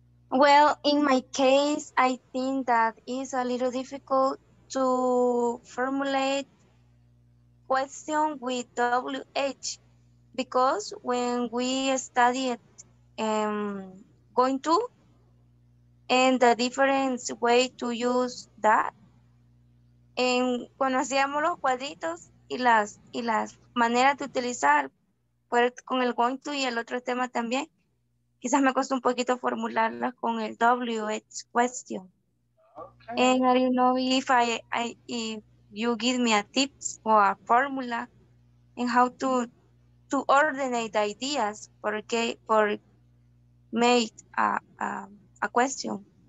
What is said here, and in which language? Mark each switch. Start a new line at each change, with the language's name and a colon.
English: Well, in my case, I think that it's a little difficult to formulate question with WH because when we studied going to, and the different way to use that.
Spanish: En cuando hacíamos los cuadritos y las maneras de utilizar pues, con el going to y el otro tema también, quizás me costó un poquito formularlas con el WH question.
English: Okay. And I don't know if if you give me a tips or a formula in how to ordinate ideas for make a question.